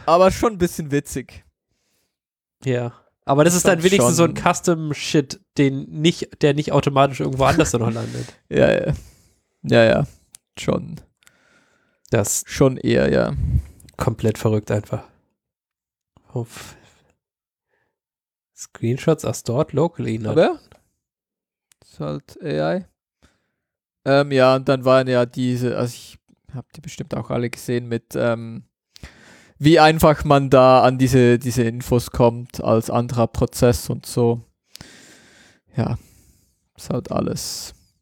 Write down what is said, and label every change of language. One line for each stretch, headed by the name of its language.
German: Aber schon ein bisschen witzig. Ja. Aber das ist dann wenigstens schon so ein Custom-Shit, der nicht automatisch irgendwo anders dann noch landet. Ja, ja. Ja, ja. Schon. Das schon eher, ja. Komplett verrückt einfach. Auf
English: Screenshots are stored locally.
German: Not. Oder? Ist halt AI. Ja, und dann waren ja diese, also ich hab die bestimmt auch alle gesehen mit, wie einfach man da an diese Infos kommt als anderer Prozess und so. Ja, ist halt alles.